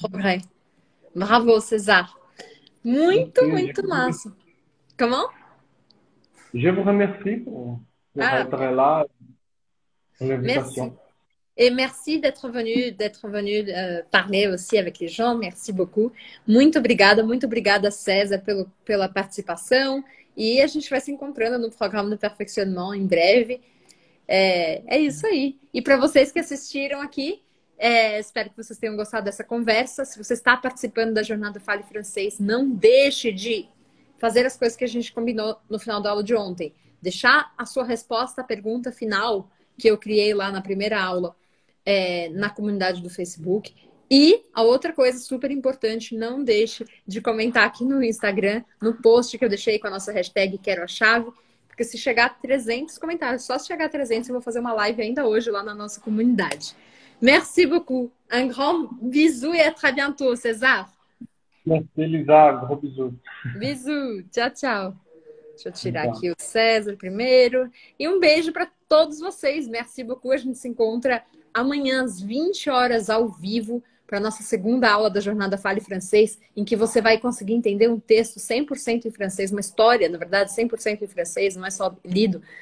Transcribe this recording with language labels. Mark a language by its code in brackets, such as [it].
[fr] progrès. Bravo, César. [pt] Muito, [fr] Merci, [pt] muito massa. [fr] Comment? je vous remercie pour votre Ah, bien. travail, Merci. l'invitation. Et merci d'être venu parler aussi avec les gens. Merci beaucoup. [pt] Muito obrigada, César, pela participação. E a gente vai se encontrando no programa do Perfeccionement em breve. É isso aí. E para vocês que assistiram aqui, Espero que vocês tenham gostado dessa conversa. Se você está participando da jornada Fale Francês, não deixe de fazer as coisas que a gente combinou no final da aula de ontem. Deixar a sua resposta à pergunta final que eu criei lá na primeira aula na comunidade do Facebook. E a outra coisa super importante, não deixe de comentar aqui no Instagram, no post que eu deixei com a nossa hashtag Quero a Chave, porque se chegar a 300 comentários, só se chegar a 300, eu vou fazer uma live ainda hoje lá na nossa comunidade. [fr] Merci beaucoup. Un grand bisou et à très bientôt, César. Merci, Lisa. Gros bisou. Bisou. [pt] Tchau, tchau. Deixa eu tirar aqui o César primeiro. E um beijo para todos vocês. [fr] Merci beaucoup. [pt] A gente se encontra amanhã às 20 horas ao vivo para a nossa segunda aula da Jornada Fale Francês, em que você vai conseguir entender um texto 100% em francês, uma história, na verdade, 100% em francês, não é só lido.